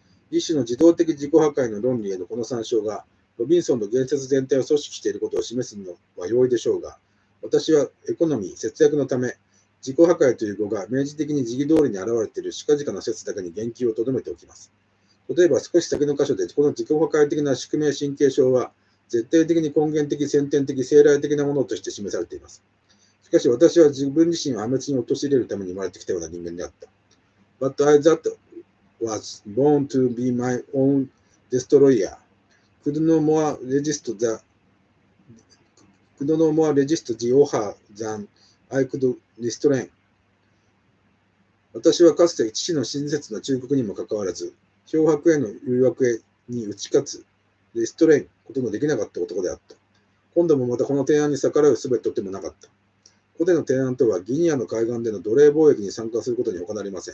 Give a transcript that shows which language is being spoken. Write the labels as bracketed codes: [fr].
[ja] 一種の自動的自己破壊の論理へのこの参照が、ロビンソンの言説全体を組織していることを示すのは容易でしょうが、私はエコノミー、節約のため、自己破壊という語が明示的に時期通りに現れている近々の説だけに言及を留めておきます。例えば少し先の箇所で、この自己破壊的な宿命神経症は、絶対的に根源的、先天的、生来的なものとして示されています。しかし私は自分自身を破滅に陥れるために生まれてきたような人間であった。 [en] But I that was born to be my own destroyer could no more resist the offer than I could restrain。 [ja] 私はかつて父の親切な忠告にもかかわらず、漂白への誘惑に打ち勝つ、リストレインことのできなかった男であった。今度もまたこの提案に逆らうすべとてもなかった。ここでの提案とは、ギニアの海岸での奴隷貿易に参加することに他なりません。